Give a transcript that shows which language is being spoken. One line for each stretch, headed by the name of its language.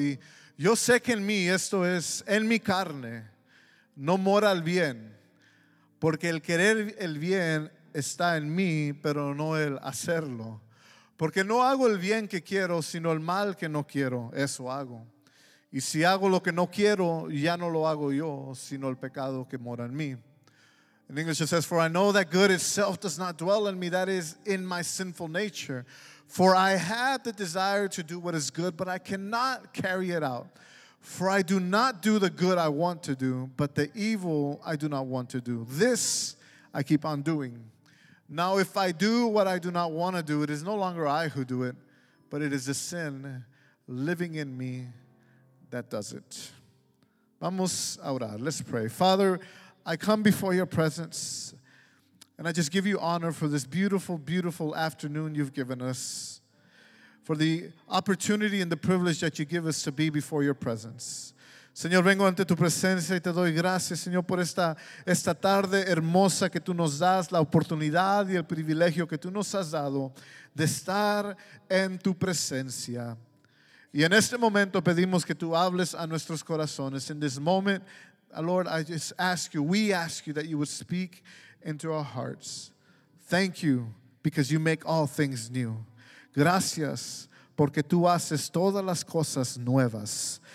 Spanish: Y yo sé que en mí, esto es, en mi carne, no mora el bien, porque el querer el bien está en mí, pero no el hacerlo. Porque no hago el bien que quiero, sino el mal que no quiero, eso hago. Y si hago lo que no quiero, ya no lo hago yo, sino el pecado que mora en mí.
English: In English it says, "For I know that good itself does not dwell in me, that is in my sinful nature. For I have the desire to do what is good, but I cannot carry it out. For I do not do the good I want to do, but the evil I do not want to do. This I keep on doing. Now if I do what I do not want to do, it is no longer I who do it, but it is a sin living in me that does it."
Spanish: Vamos a orar.
English: Let's pray. Father, I come before your presence, and I just give you honor for this beautiful, beautiful afternoon you've given us, for the opportunity and the privilege that you give us to be before your presence.
Spanish: Señor, vengo ante tu presencia y te doy gracias, Señor, por esta tarde hermosa que tú nos das, la oportunidad y el privilegio que tú nos has dado de estar en tu presencia. Y en este momento pedimos que tú hables a nuestros corazones.
English: In this moment, Lord, I just ask you, we ask you that you would speak into our hearts. Thank you, because you make all things new.
Spanish: Gracias, porque tú haces todas las cosas nuevas.